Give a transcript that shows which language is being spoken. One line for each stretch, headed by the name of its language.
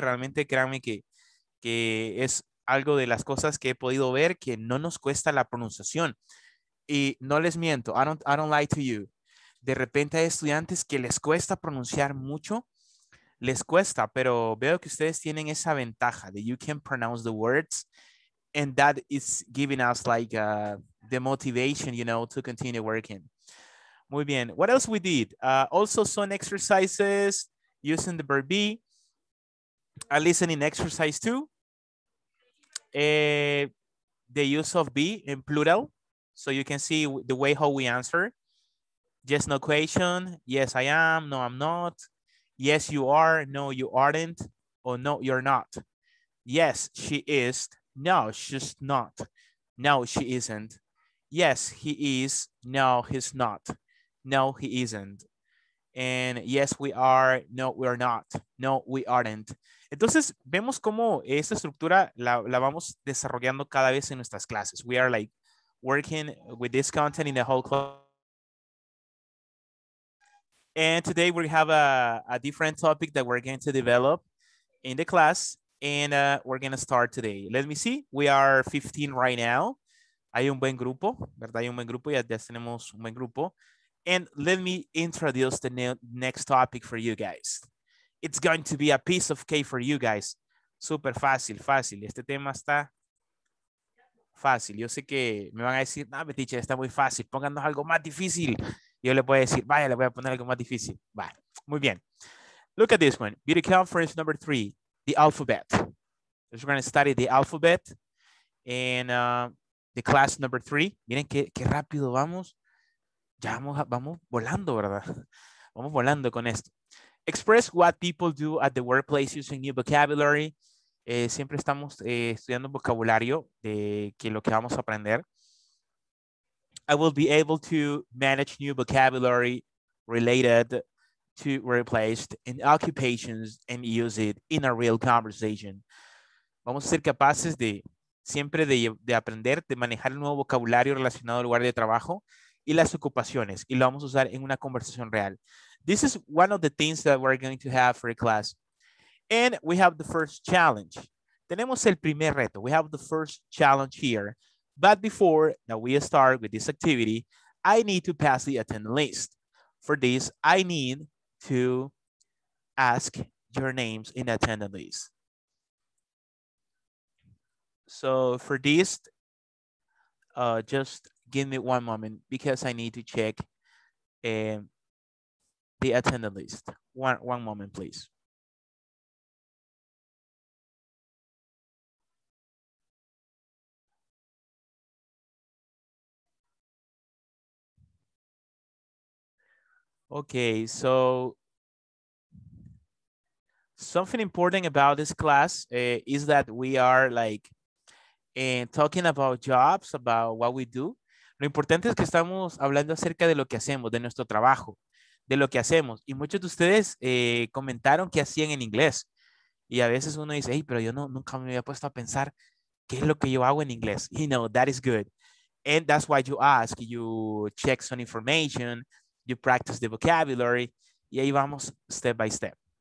Spanish: Realmente, créanme que es algo de las cosas que he podido ver que no nos cuesta la pronunciación. Y no les miento,
English: I don't lie to you.
Spanish: De repente hay estudiantes que les cuesta pronunciar mucho, les cuesta, pero veo que ustedes tienen esa ventaja de
English: you can pronounce the words, and that is giving us like the motivation, you know, to continue working.
Spanish: Muy bien.
English: What else we did? Also some exercises using the verb be, a listening exercise too. The use of be in plural. So you can see the way how we answer. Yes, no question. Yes, I am. No, I'm not. Yes, you are. No, you aren't. Or no, you're not. Yes, she is. No, she's not. No, she isn't. Yes, he is. No, he's not. No, he isn't. And yes, we are. No, we are not. No, we aren't.
Spanish: Entonces, vemos cómo esta estructura la vamos desarrollando cada vez en nuestras clases.
English: We are like working with this content in the whole class. And today we have a different topic that we're going to develop in the class. And we're going to start today. Let me see. We are 15 right now.
Spanish: Hay un buen grupo, ¿verdad? Hay un buen grupo. Ya tenemos un buen grupo.
English: And let me introduce the next topic for you guys. It's going to be a piece of cake for you guys.
Spanish: Super fácil, fácil. Este tema está fácil. Yo sé que me van a decir, no, teacher, está muy fácil. Pónganos algo más difícil. Yo le voy a decir, vaya, le voy a poner algo más difícil. Va. Muy bien.
English: Look at this one. Video conference number 3. The alphabet. We're going to study the alphabet in the class number 3.
Spanish: Miren qué rápido vamos. Ya vamos volando, ¿verdad? Vamos volando con esto.
English: Express what people do at the workplace using new vocabulary.
Spanish: Siempre estamos estudiando vocabulario de que lo que vamos a aprender.
English: I will be able to manage new vocabulary related to replaced in occupations and use it in a real conversation.
Spanish: Vamos a ser capaces de siempre de aprender, de manejar el nuevo vocabulario relacionado al lugar de trabajo y las ocupaciones, y lo vamos a usar en una conversación real.
English: This is one of the things that we're going to have for a class. And we have the first challenge.
Spanish: Tenemos el primer reto.
English: We have the first challenge here. But before that we start with this activity, I need to pass the attendance list. For this, I need to ask your names in the attendance list. So for this, just give me one moment because I need to check the attendance list. One moment, please. Okay, so something important about this class is that we are like talking about jobs, about what we do.
Spanish: Lo importante es que estamos hablando acerca de lo que hacemos, de nuestro trabajo, de lo que hacemos. Y muchos de ustedes comentaron que hacían en inglés. Y a veces uno dice, hey, pero yo nunca me había puesto a pensar qué es lo que yo hago en inglés.
English: You know, that is good. And that's why you ask, you check some information, you practice the vocabulary,
Spanish: y ahí vamos
English: step by step.